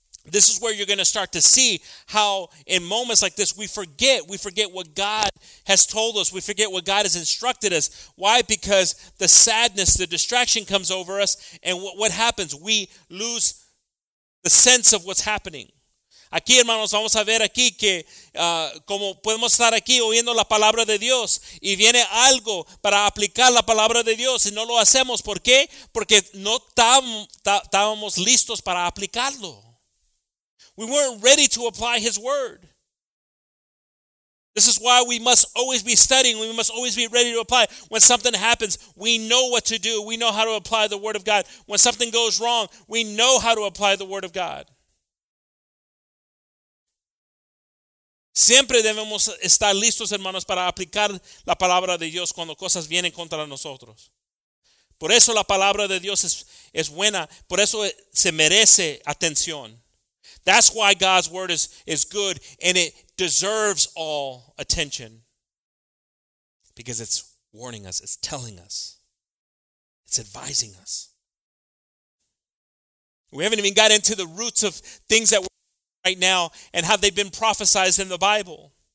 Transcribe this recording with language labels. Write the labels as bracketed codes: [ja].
[en] This is where you're going to start to see how in moments like this, we forget what God has told us. We forget what God has instructed us. Why? Because the sadness, the distraction comes over us. And what happens? We lose the sense of what's happening. [es] Aquí, hermanos, vamos a ver aquí que como podemos estar aquí oyendo la palabra de Dios y viene algo para aplicar la palabra de Dios y no lo hacemos. ¿Por qué? Porque no estábamos listos para aplicarlo. [en] We weren't ready to apply his word. This is why we must always be studying. We must always be ready to apply. When something happens, we know what to do. We know how to apply the word of God. When something goes wrong, we know how to apply the word of God. [es] Siempre debemos estar listos, hermanos, para aplicar la palabra de Dios cuando cosas vienen contra nosotros. Por eso la palabra de Dios es buena. Por eso se merece atención. [en] That's why God's word is good and it deserves all attention. Because it's warning us, it's telling us, it's advising us. We haven't even got into the roots of things that we're doing right now and how they've been prophesied in the Bible.